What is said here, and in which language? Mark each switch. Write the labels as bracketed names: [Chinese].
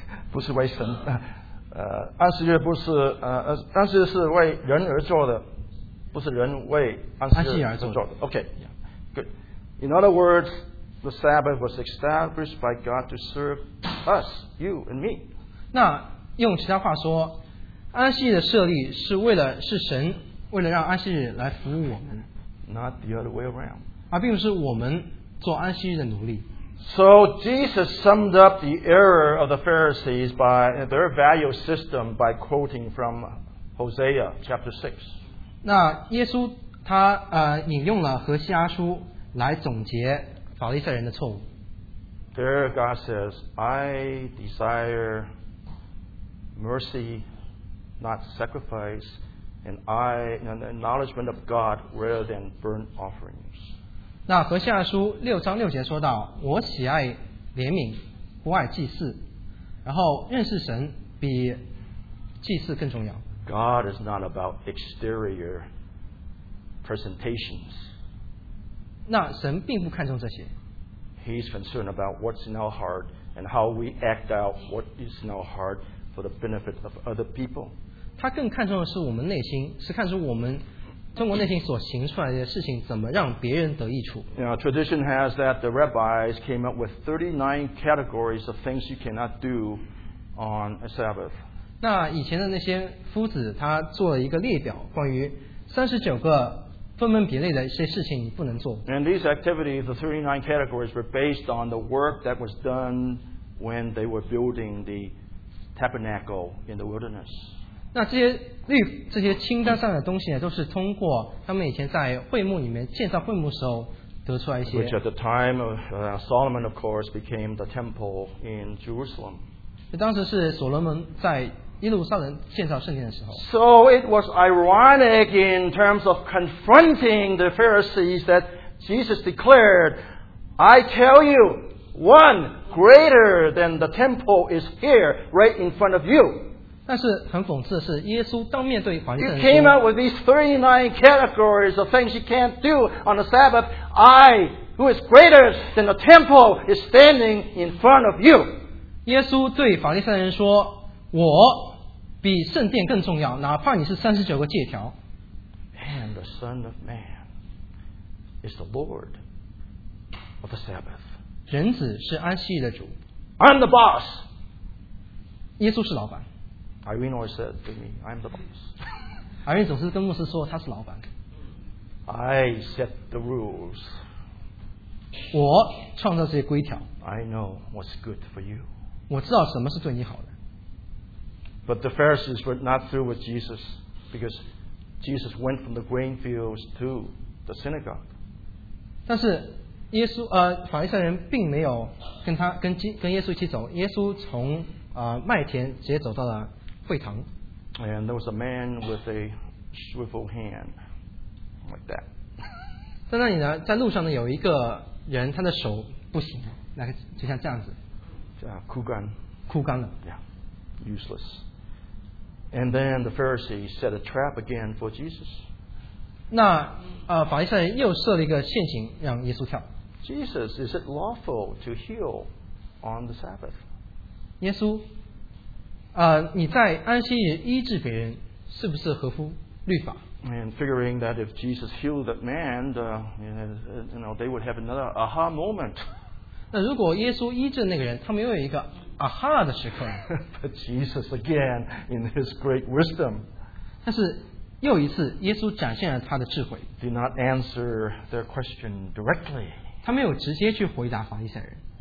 [Chinese] 不是为神，安息日不是安息日是为人而做的，不是人为安息日而做的。 [English] Okay, good. In other words, the Sabbath was established by God to serve us, you and me. [Chinese] 那用其他话说，安息日的设立是为了是神为了让安息日来服务我们。 [English] Not the other way around. [Chinese] 而并不是我们做安息日的奴隶。 [English] So Jesus summed up the error of the Pharisees by their value system by quoting from Hosea chapter 6. [Chinese] 那耶稣他引用了何西阿书来总结法利赛人的错误。 [English] There God says, I desire mercy, not sacrifice, and I an acknowledgement of God rather than burnt offerings. [Chinese] 那何西阿书六章六节说到，我喜爱怜悯，不爱祭祀，然后认识神比祭祀更重要。 [English] God is not about exterior presentations. [Chinese] 那神并不看重这些。 [English] He's concerned about what's in our heart and how we act out what is in our heart for the benefit of other people. [Chinese] 他更看重的是我们内心，是看出我们。中国内心所行出来的事情怎么让别人得益处 [English] you know, Tradition has that the rabbis came up with 39 categories of things you cannot do on a Sabbath [Chinese] 那以前的那些夫子他做了一个列表关于39个分门别类的一些事情你不能做 [English] And these activities, the 39 categories were based on the work that was done when they were building the tabernacle in the wilderness [Chinese] 那这些清单上的东西呢，都是通过他们以前在会幕里面建造会幕时候得出来一些。 [English] Which at the time of Solomon, of course, became the temple in Jerusalem. [Chinese] 当时是所罗门在耶路撒冷建造圣殿的时候。 [English] So it was ironic in terms of confronting the Pharisees that Jesus declared, "I tell you, one greater than the temple is here, right in front of you." [Chinese] 但是很讽刺的是，耶稣当面对法利赛人说 [English] ：“You came up with these 39 categories of things you can't do on the Sabbath. I, who is greater than the temple is standing in front of you. [Chinese] 耶稣对法利赛人说，我比圣殿更重要，哪怕你是三十九个诫条。 [English] And the Son of Man is the Lord of the Sabbath. [Chinese] 人子是安息日的主。 [English] I'm the boss. [Chinese] 耶稣是老板。 [English] Irene always said to me, I'm the boss. [Chinese] Irene 总是跟牧师说他是老板。 [English] I set the rules. [Chinese] 我创造这些规条。 [English] I know what's good for you. [Chinese] 我知道什么是对你好的。 [English] But the Pharisees were not through with Jesus because Jesus went from the grain fields to the synagogue. [Chinese] 但是耶稣法利赛人并没有跟耶稣一起走，耶稣从麦田直接走到了会堂。 [English] And there was a man with a shriveled hand like that. [Chinese] 在那里呢，在路上呢，有一个人，他的手不行，那个就像这样子。枯干了 [English] yeah, useless. And then the Pharisee set a trap again for Jesus. [Chinese] 那法利赛人又设了一个陷阱让耶稣跳。 [English] Jesus, is it lawful to heal on the Sabbath? [Chinese] 耶稣你在安息日医治别人是不是合乎律法？ [English] And figuring that if Jesus healed that man, they would have another aha moment. [Chinese] 那如果耶稣医治那个人，他没有一个啊哈的时刻。 [English] But Jesus again in his great wisdom. [Chinese] 但是又一次，耶稣展现了他的智慧。 [English] Did not answer their question directly. [Chinese] 他没有直接去回答法利赛人。